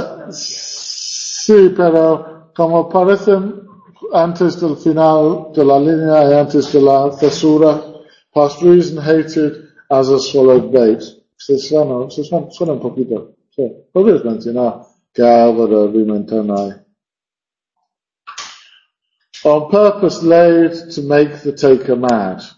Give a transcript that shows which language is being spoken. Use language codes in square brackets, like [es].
[es] Sí, pero como parece antes del final de la línea y antes de la cesura. [en] Past reason hated as a swallowed bait. [es] Se suena un poquito. Sí. Podrías mencionar que algo de rima interna. [en] On purpose laid to make the taker mad.